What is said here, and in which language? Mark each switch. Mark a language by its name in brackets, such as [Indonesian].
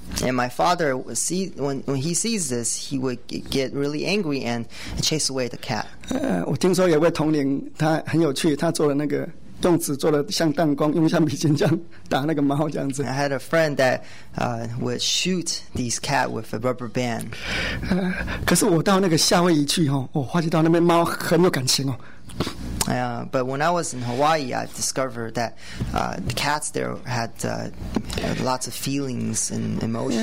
[English] And my father, when he sees this, he would get really angry and chase away the cat. [Chinese] 我听说有位同龄，他很有趣，他做了那个用纸做的像弹弓，用橡皮筋这样打那个猫这样子。 [English] I had a friend that would shoot these cat with a rubber band. [Chinese] 可是我到那个夏威夷去，我发觉到那边猫很有感情哦。 [English] But when I was in Hawaii, I discovered that the cats there had lots of feelings and emotions.